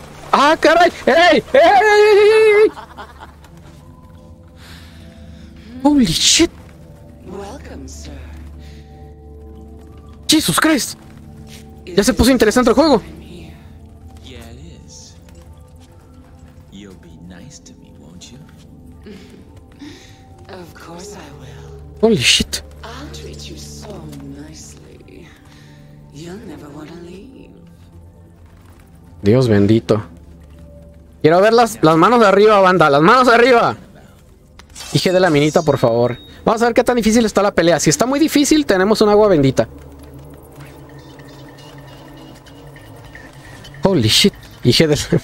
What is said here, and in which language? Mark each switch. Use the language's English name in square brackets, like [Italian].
[Spanish] ¡Ah, caray! ¡Ey! ¡Ey! [English] Holy shit. Welcome, sir. Jesus Christ. [Spanish] Ya se puso interesante el juego. [English] Yeah, it is. You'll be nice to me, won't you? Of course I will. Holy shit. I'll treat you so nicely. You'll never want to leave. [Spanish] Dios bendito. Quiero ver las manos de arriba, banda, las manos de arriba. Dije de la minita, por favor. Vamos a ver qué tan difícil está la pelea. Si está muy difícil, tenemos un agua bendita. [English] Holy shit. [Spanish] Dije de la...